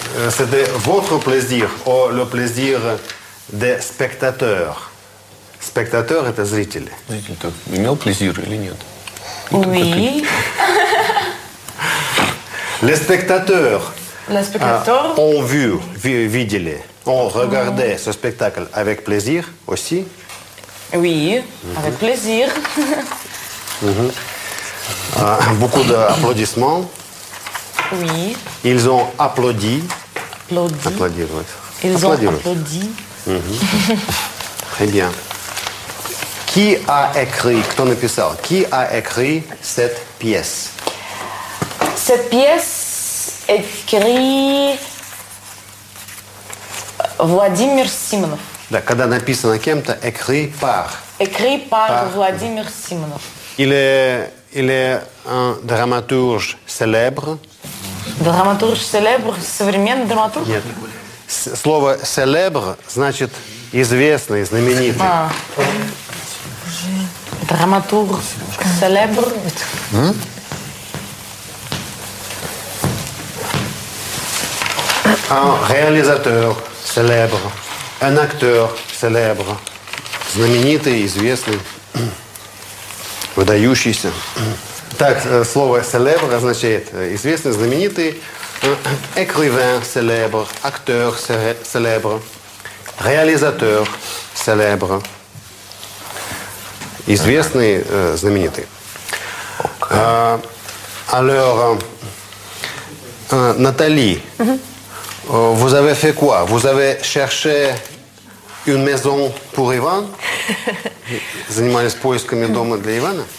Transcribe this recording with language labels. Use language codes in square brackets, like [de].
[fr] C'était votre plaisir ou le plaisir des spectateurs? Spectateurs et зрители. [ru] Зритель, имел plaisir или нет? [fr] Oui. Les spectateurs. Les spectateurs. Ont vu, [ru] видели, [fr] ont regardé ce spectacle avec plaisir aussi. Oui, avec plaisir. Beaucoup d'applaudissements. Oui. Ils ont applaudi. Applaudi. Oui. Ils ont applaudi. Très bien. Qui a écrit, [ru] кто написал, [fr] qui a écrit cette pièce? Cette pièce écrit Vladimir Simonov. [ru] Да, когда написано кем-то, [fr] écrit par. Écrit par Vladimir Simonov. Il est un dramaturge célèbre. Dramaturge célèbre, [ru] современный драматург? Нет. Слово célèbre значит известный, знаменитый. А. Драматург célèbre. [fr] Un réalisateur célèbre, un acteur célèbre, [ru] знаменитый, известный, выдающийся. Так, слово célèbre означает известный, знаменитый, [fr] écrivain célèbre, acteur célèbre, réalisateur célèbre. [ru] Известный, знаменитый. [fr] Alors, Nathalie, vous avez fait quoi? Vous avez cherché une maison pour Ivan? [ru] Занимались поисками дома для Ивана?